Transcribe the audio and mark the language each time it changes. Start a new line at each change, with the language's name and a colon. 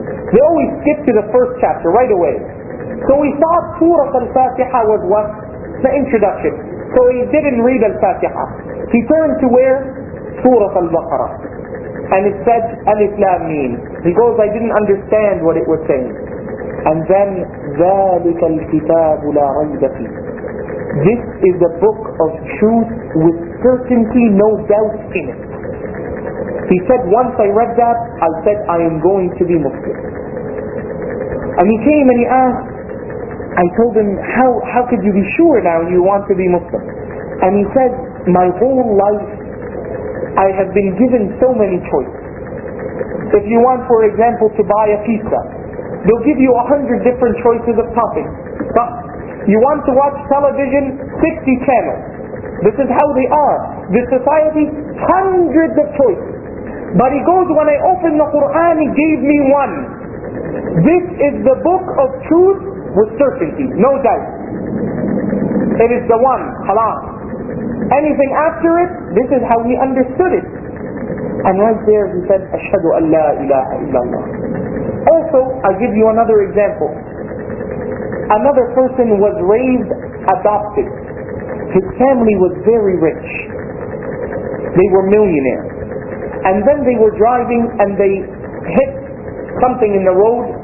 English: We always skip to the first chapter right away. So he thought Surah Al-Fatiha was what? The introduction. So he didn't read Al-Fatiha. He turned to where? Surah Al-Baqarah. And it said, Alif Lam Mim. He goes, I didn't understand what it was saying. And then,
Arabic: ذَلِكَ الْكِتَابُ لَا رَيْدَ فِيهِ.
English: This is the book of truth with certainty, no doubt in it. He said, once I read that, I said, I am going to be Muslim. And he came and he asked, I told him, how could you be sure now you want to be Muslim? And he said, my whole life, I have been given so many choices. If you want, for example, to buy a pizza, they'll give you 100 different choices of toppings. But you want to watch television, 60 channels. This is how they are. This society, hundreds of choices. But he goes, when I opened the Quran, he gave me one. This is the book of truth with certainty, no doubt. It is the one, halal. Anything after it, this is how he understood it. And right there he said,
Arabic: أَشْهَدُ أَنْ لَا إِلَهَ إِلَّا اللَّهِ.
English: Also, I'll give you another example. Another person was raised adopted. His family was very rich. They were millionaires. And then they were driving and they hit something in the road.